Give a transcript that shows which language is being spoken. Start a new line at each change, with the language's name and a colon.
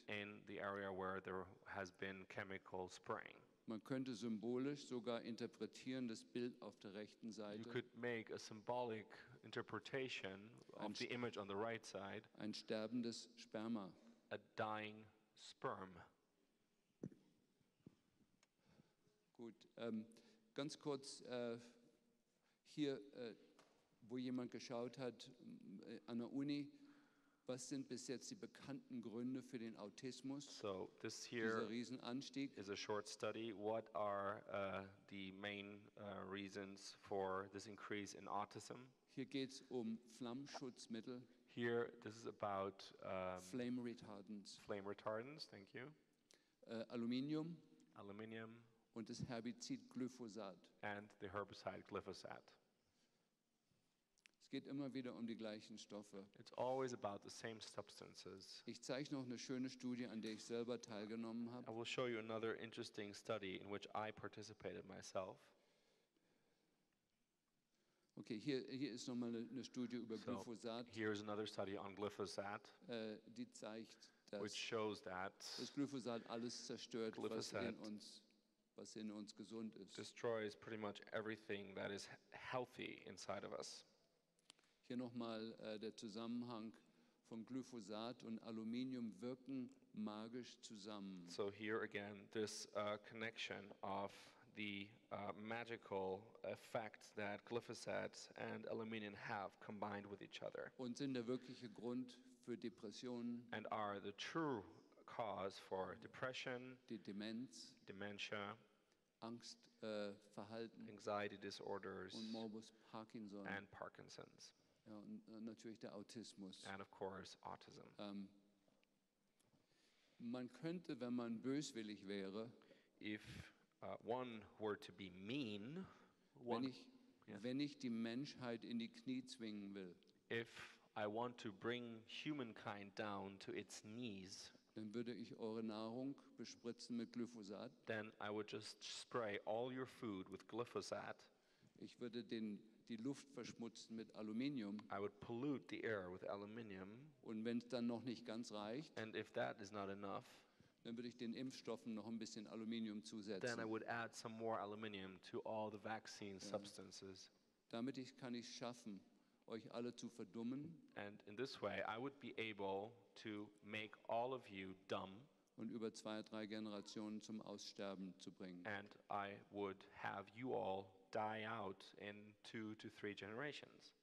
English: In the area where there has been chemical spraying.
German: Man könnte symbolisch sogar interpretieren das Bild auf der rechten Seite.
English: You could make a symbolic interpretation of the image on the right side.
German: Ein sterbendes Sperma.
English: A dying sperm.
German: Gut, ganz kurz hier, wo jemand geschaut hat an der Uni. Was sind bis jetzt die bekannten Gründe für den Autismus?
English: So, this here
German: dieser Riesenanstieg.
English: Is a short study. What are the main reasons for this increase in autism?
German: Hier geht's um Flammschutzmittel.
English: Here, this is about flame retardants. Flame retardants, thank you.
German: Aluminium.
English: Aluminium.
German: Und das Herbizid Glyphosat.
English: And the herbicide Glyphosate.
German: Es geht immer wieder um die gleichen Stoffe.
English: It's always about the same substances.
German: Ich zeige noch eine schöne Studie, an der ich selber teilgenommen habe.
English: I will show you another interesting study in which I participated myself.
German: Okay, hier ist nochmal eine Studie über Glyphosat.
English: Here is another study on glyphosate.
German: Die zeigt, dass
English: which shows that
German: das Glyphosat alles zerstört, was in uns gesund ist.
English: Destroys pretty much everything that is healthy inside of us.
German: Hier nochmal der Zusammenhang von Glyphosat und Aluminium wirken magisch zusammen.
English: So here again, this connection of the magical effect that glyphosate and aluminium have combined with each other.
German: Und sind der wirkliche Grund für Depressionen.
English: And are the true cause for depression.
German: Die Demenz.
English: Dementia.
German: Angstverhalten.
English: Anxiety disorders.
German: Und Morbus Parkinson.
English: And Parkinson's.
German: Ja, und natürlich der Autismus.
English: And of course autism.
German: Man könnte, wenn man böswillig wäre,
English: if one were to be mean,
German: wenn ich die Menschheit in die Knie zwingen will,
English: if I want to bring humankind down to its knees,
German: dann würde ich eure Nahrung bespritzen mit Glyphosat.
English: Then I would just spray all your food with glyphosate.
German: Ich würde die Luft verschmutzen mit Aluminium.
English: I would pollute the air with aluminium.
German: Und wenn es dann noch nicht ganz reicht,
English: and if that is not enough,
German: dann würde ich den Impfstoffen noch ein bisschen Aluminium zusetzen.
English: Then I would add some more aluminium to all the vaccine substances.
German: Damit kann ich schaffen, euch alle zu verdummen.
English: And in this way, I would be able to make all of you dumb.
German: Und über zwei, drei Generationen zum Aussterben zu bringen.
English: And I would have you all die out in 2 to 3 generations.